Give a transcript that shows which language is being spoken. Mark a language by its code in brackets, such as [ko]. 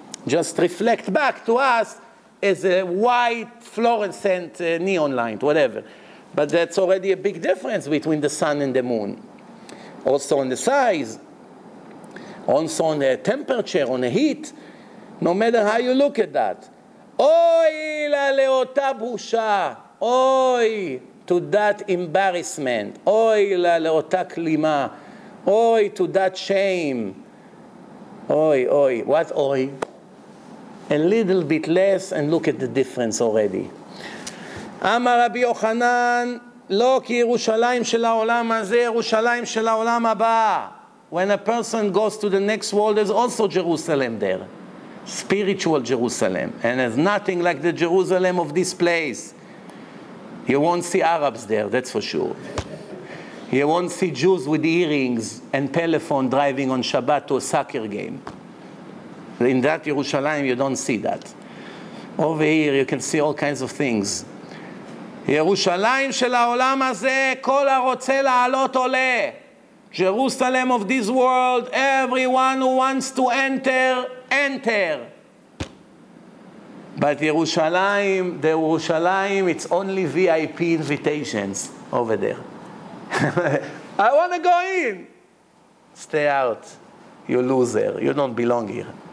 [en] Just reflect back to us as a white fluorescent neon light, whatever. But that's already a big difference between the sun and the moon. Also on the size, also on the temperature, on the heat, no matter how you look at that. Oil [he] לה לאותה בושה, אוי, [en] to that embarrassment, [he] אוי לה לאותה כלימה, אוי, [en] to that shame, [he] אוי, אוי, [en] what [he] אוי? [en] A little bit less and look at the difference already. [he] אמר רבי יוחנן, לא כי ירושלים של העולם הזה, ירושלים של העולם הבא. [en] When a person goes to the next world, there's also Jerusalem there. Spiritual Jerusalem. And it's nothing like the Jerusalem of this place. You won't see Arabs there, that's for sure. You won't see Jews with earrings and telephone driving on Shabbat to a soccer game. In that Jerusalem, you don't see that. Over here, you can see all kinds of things. [he] Jerusalem של העולם הזה, כל הרוצה לעלות עולה. [en] Jerusalem of this world, everyone who wants to enter, enter. But Jerusalem, the Jerusalem, it's only VIP invitations over there. I want to go in. Stay out, you loser. You don't belong here.